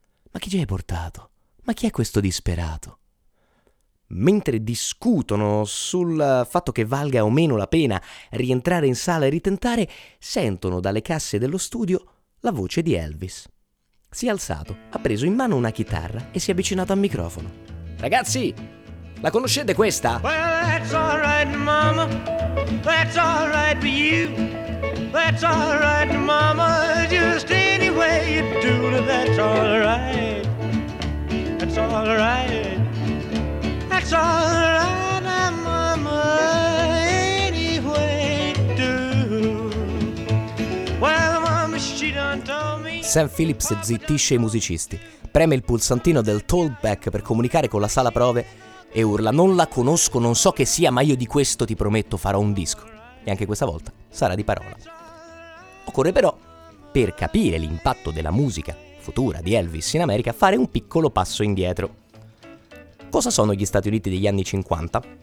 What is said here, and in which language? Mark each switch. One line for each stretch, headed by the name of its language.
Italian: Ma chi ci hai portato? Ma chi è questo disperato? Mentre discutono sul fatto che valga o meno la pena rientrare in sala e ritentare, sentono dalle casse dello studio la voce di Elvis. Si è alzato, ha preso in mano una chitarra e si è avvicinato al microfono. Ragazzi, la conoscete questa?
English: Well, that's all right, mama. That's all right for you. That's all right, mama. Just any way you do it, that's all right. That's all right. It's all right, mama, anyway, do. Well, mama, she done told me.
Italian: Sam Phillips zittisce i musicisti, preme il pulsantino del talkback per comunicare con la sala prove e urla: non la conosco, non so che sia, ma io di questo ti prometto farò un disco. E anche questa volta sarà di parola. Occorre però, per capire l'impatto della musica futura di Elvis in America, fare un piccolo passo indietro. Cosa sono gli Stati Uniti degli anni 50?